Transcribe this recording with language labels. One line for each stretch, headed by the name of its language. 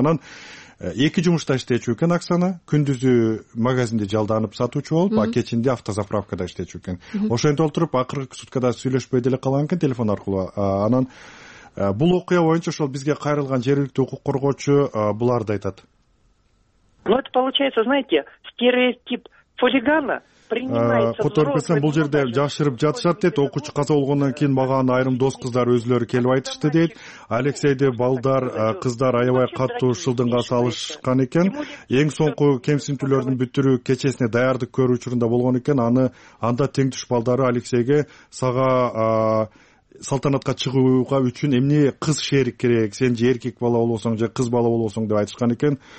Kyrgyz: Анан эки жумушта иштечү экен Оксана, күндүзү магазинди жалданып сатуучу болуп, кечинде автозаправкада иштечү экен. Ошентип отуруп акыркы суткада сүйлөшпөй деле калган экен телефон аркылуу. Анан бул окуя боюнча ошол бизге кайрылган жергиликтүү укук коргоочу буларды айтат.
Russian: Ну это получается, знаете, стереотип хулигана принимается.
Kyrgyz: Бул жерде жашырып жатышат дейт. Окуучу каза болгондон кийин мага айрым дос кыздар өзүлөрү келип айтышты дейт. Алексейди балдар, кыздар аябай катуу шылдыңга салышкан экен. Эң соңку кемсинтүүлөрдүн бүтүрүү кечесине даярдык көрүү учурунда болгон экен. Аны анда тең түш балдары Алексейге сага салтанатка чыгууга үчүн эмне кыз шерик керек, сен же эркек бала болбосоң же кыз бала болбосоң деп айтышкан экен.